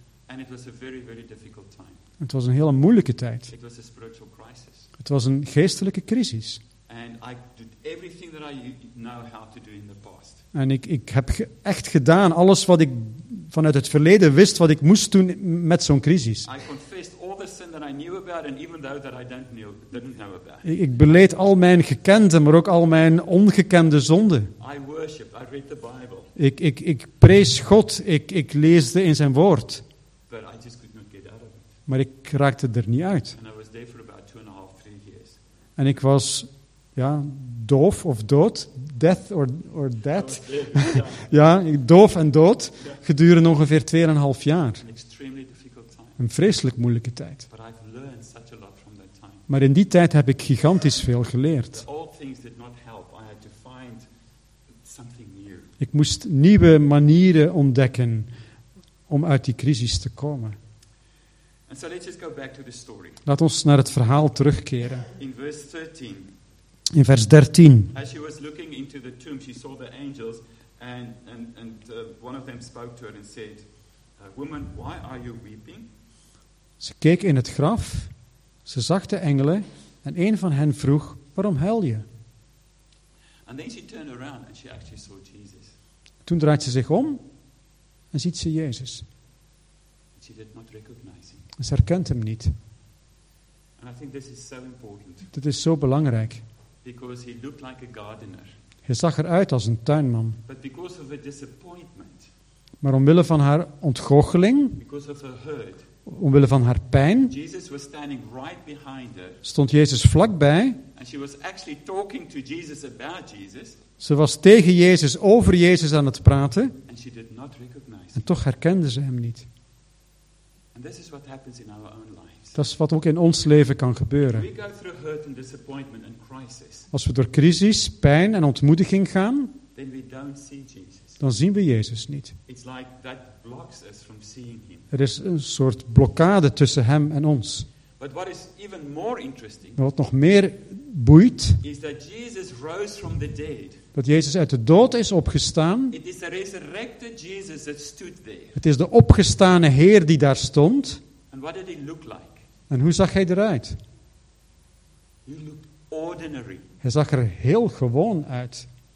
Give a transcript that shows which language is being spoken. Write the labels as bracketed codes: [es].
[en] And it was a very, very difficult time. [nl] Het was een hele moeilijke tijd. [en] It was a spiritual crisis. [nl] Het was een geestelijke crisis. [en] And I did everything that I know how to do in the past. [nl] En ik heb echt gedaan alles wat ik vanuit het verleden wist wat ik moest doen met zo'n crisis. [en] I confessed all the sin that I knew about and even though that I didn't know about. [nl] Ik beleed al mijn gekende, maar ook al mijn ongekende zonden. [en] I worship, I read the Bible. [nl] Ik prees God, ik leesde in zijn woord. [en] But I just could not get out of it. [nl] Maar ik raakte er niet uit. [en] And I was there for about 2.5-3 years. [nl] En ik was doof of dood, [en] death or dead. [nl] doof en dood, gedurende ongeveer 2.5 jaar. [en] An extremely difficult time. [nl] Een vreselijk moeilijke tijd. [en] But I've learned such a lot from that time. [nl] Maar in die tijd heb ik gigantisch veel geleerd. [en] The old things did not help. I had to find something new. [nl] Ik moest nieuwe manieren ontdekken om uit die crisis te komen. [en] And so let's just go back to the story. [nl] Laat ons naar het verhaal terugkeren. In vers 13. In vers 13. [en] As she was looking into the tomb, she saw the angels and one of them spoke to her and said, "Woman, why are you weeping?" [nl] Ze keek in het graf. Ze zag de engelen en een van hen vroeg: "Waarom huil je?" [en] And then she turned around and she actually saw Jesus. [nl] Toen draait ze zich om en ziet ze Jezus. [en] She did not recognize him. [nl] En ze herkent hem niet. [en] And I think this is so important. [nl] Dit is zo belangrijk. [en] Because he looked like a gardener. [nl] Hij zag eruit als een tuinman. [en] But because of a disappointment. [nl] Maar omwille van haar ontgoocheling, [en] because of her hurt, [nl] omwille van haar pijn, [en] Jesus was standing right behind her. [nl] Stond Jezus vlakbij. [en] And she was actually talking to Jesus about Jesus. [nl] Ze was tegen Jezus, over Jezus aan het praten. [en] And she did not recognize [nl] en toch herkende ze hem niet. [en] And this is what happens in our own life. [nl] Dat is wat ook in ons leven kan gebeuren. [en] We go through hurt and disappointment and crisis, [nl] als we door crisis, pijn en ontmoediging gaan, [en] then we don't see Jesus. [nl] Dan zien we Jezus niet. [en] It's like that blocks us from seeing him. [nl] Er is een soort blokkade tussen hem en ons. [en] But what is even more interesting, [nl] maar wat nog meer boeit, [en] is that Jesus rose from the dead. [nl] Dat Jezus uit de dood is opgestaan. [en] It is the resurrected Jesus that stood there. [nl] Het is de opgestane Heer die daar stond. [en] And what did he look like? [nl] En hoe zag hij eruit? [en] He looked ordinary. [nl] Hij zag er heel gewoon uit.